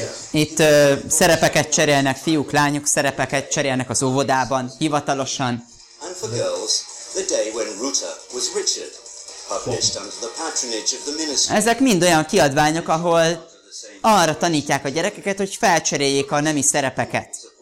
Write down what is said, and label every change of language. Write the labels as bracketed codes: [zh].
[hu] Itt szerepeket cserélnek fiúk, lányok, szerepeket cserélnek az óvodában, hivatalosan. [en] And for girls, the day when Ruta was Richard, published under the patronage of the ministry. [hu] Ezek mind olyan kiadványok, ahol arra tanítják a gyerekeket, hogy felcseréljék a nemi szerepeket.